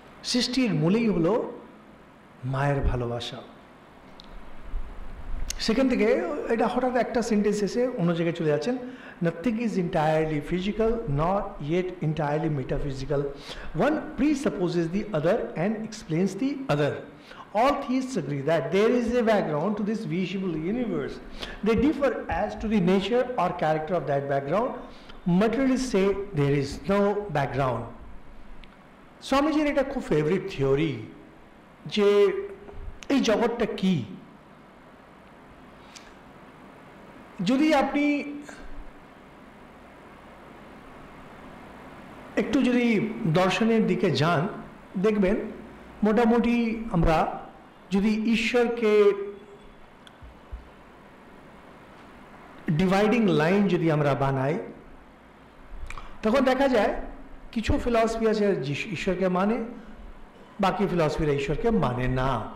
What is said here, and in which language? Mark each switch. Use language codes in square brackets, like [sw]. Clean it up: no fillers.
[bn] সৃষ্টির মূলেই হলো মায়ের ভালোবাসা। সেখান থেকে এটা হঠাৎ একটা সেন্টেন্স এসে অন্য জায়গায় চলে যাচ্ছেন, [en] Nothing is entirely physical not yet entirely metaphysical, one presupposes the other and explains the other. All theists agree that there is a background to this visible universe. They differ as to the nature or character of that background. Materialists say there is no background. Swamiji had a favorite theory, [bn] je ei jagat ta ki jodi apni ektu jodi darshaner dike jan dekhben motamoti amra যদি ঈশ্বরকে dividing line যদি আমরা বানাই, তখন দেখা যায় কিছু philosophy আছে ঈশ্বরকে মানে, বাকি ফিলসফিরা ঈশ্বরকে মানে না।